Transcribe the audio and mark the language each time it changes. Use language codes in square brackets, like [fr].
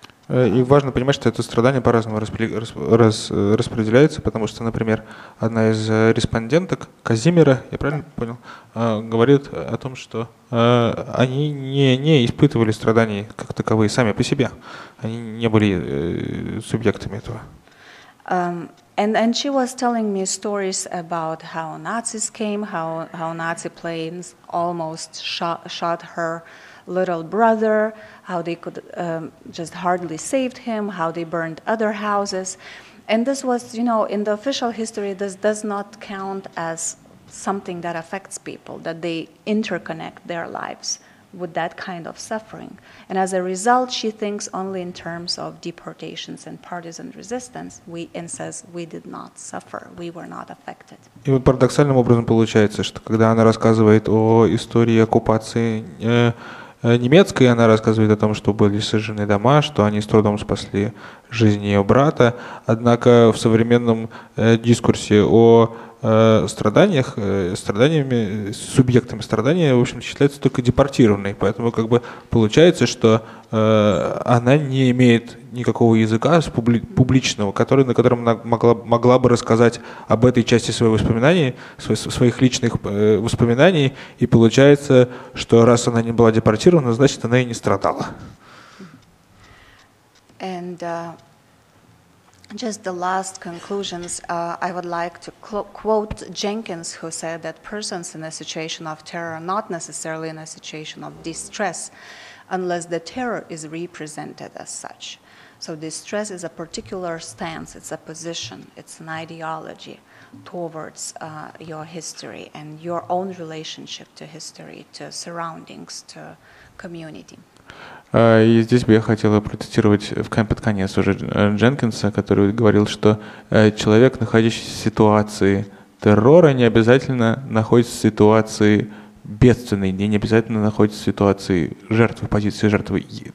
[ru] И важно понимать, что это страдание по-разному распределяется, потому что, например, одна из респонденток, Казимира, я правильно понял, говорит о том, что они не испытывали страданий как таковые сами по себе. Они не были субъектами этого. [en] And she was telling me stories about how Nazis came, how Nazi planes almost shot her little brother, how they could just hardly saved him, how they burned other houses. And this was, you know, in the official history, this does not count as something that affects people, that they interconnect their lives with that kind of suffering. And as a result, she thinks only in terms of deportations and partisan resistance, and says, we did not suffer, we were not affected. [ru] И вот парадоксальным образом получается, что когда она рассказывает о истории оккупации, немецкой, она рассказывает о том, что были сожжены дома, что они с трудом спасли жизнь ее брата. Однако в современном дискурсе о страданиях, страданиями, субъектами страдания, в общем, считается только депортированной. Поэтому как бы получается, что она не имеет никакого языка публичного, на котором она могла бы рассказать об этой части своих воспоминаний, своих личных воспоминаний, и получается, что раз она не была депортирована, значит, она и не страдала. [en] And, just the last conclusions, I would like to quote Jenkins, who said that persons in a situation of terror are not necessarily in a situation of distress unless the terror is represented as such. So distress is a particular stance, it's a position, it's an ideology towards your history and your own relationship to history, to surroundings, to community. [ru] И здесь бы я хотела процитировать в под конец уже Дженкинса, который говорил, что человек, находящийся в ситуации террора, не обязательно находится в ситуации бедственной, не обязательно находится в ситуации жертвы, позиции жертвы,